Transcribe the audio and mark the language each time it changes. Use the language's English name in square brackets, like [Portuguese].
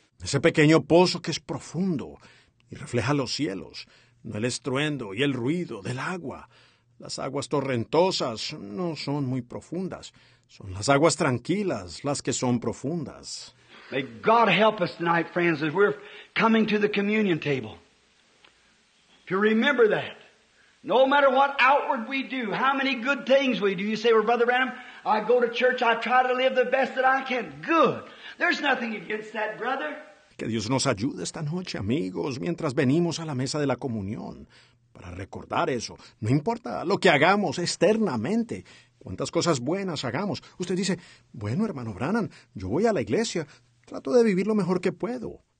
[Spanish] Ese pequeño pozo que es profundo y refleja los cielos, no el estruendo y el ruido del agua. Las aguas torrentosas no son muy profundas. Son las aguas tranquilas las que son profundas. [English] May God help us tonight, friends, as we're coming to the communion table. to remember that. No matter what outward we do, how many good things we do. You say, well, Brother Branham, I go to church, I try to live the best that I can. Good. There's nothing against that, brother. [Spanish] Que Dios nos ayude esta noche, amigos, mientras venimos a la mesa de la comunión. Para recordar eso, no importa lo que hagamos externamente, cuántas cosas buenas hagamos. Usted dice, bueno, hermano Branham, yo voy a la iglesia, trato de vivir lo mejor que puedo.